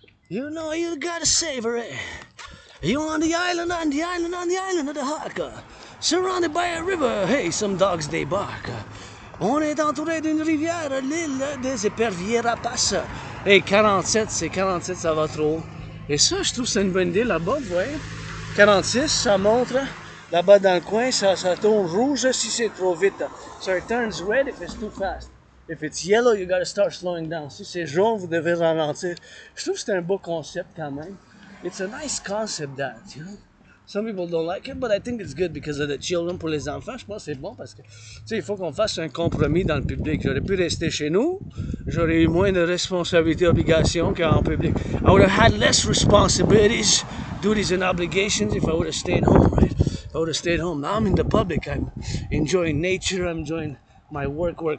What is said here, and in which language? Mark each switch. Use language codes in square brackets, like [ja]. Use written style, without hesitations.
[en] You know, you gotta savor it. You on the island of the Haka. Surrounded by a river, hey, some dogs, they bark. [fr] On est entouré d'une rivière, l'île des éperviers rapaces. Hey, 47, c'est 47, ça va trop. Et ça, je trouve que c'est une bonne idée là-bas, vous voyez. 46, ça montre. Là-bas dans le coin, ça tourne rouge si c'est trop vite. [en] So it turns red if it's too fast. If it's yellow, you gotta start slowing down. [fr] Si c'est jaune, vous devez ralentir. Je trouve que c'est un beau concept quand même. [en] It's a nice concept that, you know. Some people don't like it, but I think it's good because of the children, [fr] pour les enfants, je pense que c'est bon parce que, tu sais, il faut qu'on fasse un compromis dans le public. J'aurais pu rester chez nous, j'aurais eu moins de responsabilités, obligations qu'en public. [en] I would have had less responsibilities, duties and obligations if I would have stayed home, right? If I would have stayed home. Now I'm in the public, I'm enjoying nature, I'm enjoying my work.